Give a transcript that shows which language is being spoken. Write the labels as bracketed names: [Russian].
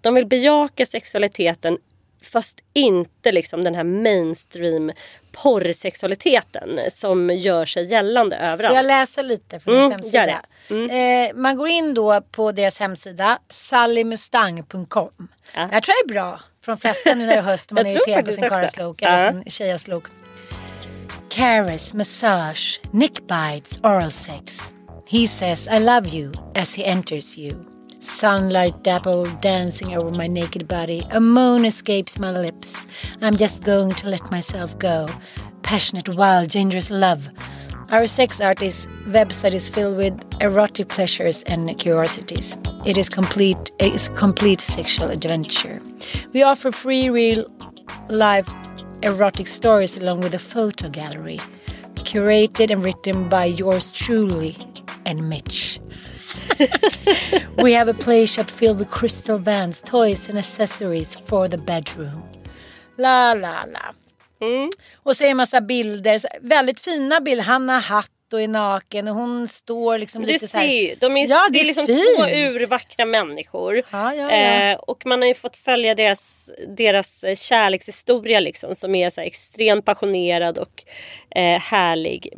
[Swedish] De vill bejaka sexualiteten fast inte liksom den här mainstream porrsexualiteten som gör sig gällande överallt. Får jag läser lite från deras hemsida? Man går in då på deras hemsida sallymustang.com. Ja. Jag tror det är bra för de flesta nu när det är höst, man är irriterad på sin karas look eller sin tjejas look. [English] Caress, massage, neck bites, oral sex. He says I love you as he enters you. Sunlight dapple dancing over my naked body. A moan escapes my lips. I'm just going to let myself go. Passionate, wild, dangerous love. Our sex artist website is filled with erotic pleasures and curiosities. It is complete sexual adventure. We offer free real life erotic stories along with a photo gallery. Curated and written by yours truly and Mitch. We have a play shop filled with crystal vans, toys and accessories for the bedroom. La la la. [Swedish] Och så är en massa bilder, väldigt fina bilder. Han har hatt och är naken och hon står liksom lite så här. De är, ja, det är liksom fint. Två urvackra människor. Ja, ja, ja. Och man har ju fått följa deras kärlekshistoria liksom, som är så här extremt passionerad och härlig.